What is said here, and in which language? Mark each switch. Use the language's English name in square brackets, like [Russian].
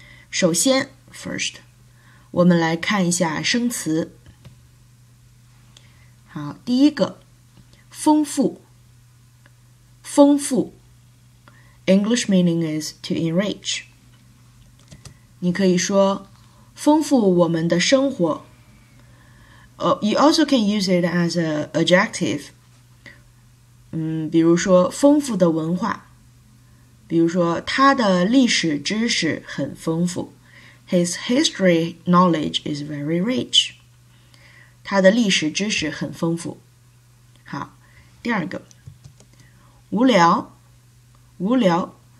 [Chinese] 首先 ，first， 我们来看一下生词。好，第一个，丰富，丰富 ， [English] English meaning is to enrich。 [Chinese] 你可以说，丰富我们的生活。 [English] You also can use it as an adjective. [Chinese] 比如说丰富的文化，比如说他的历史知识很丰富。 [English] His history knowledge is very rich. [Chinese] 他的历史知识很丰富。好，第二个，无聊，无聊。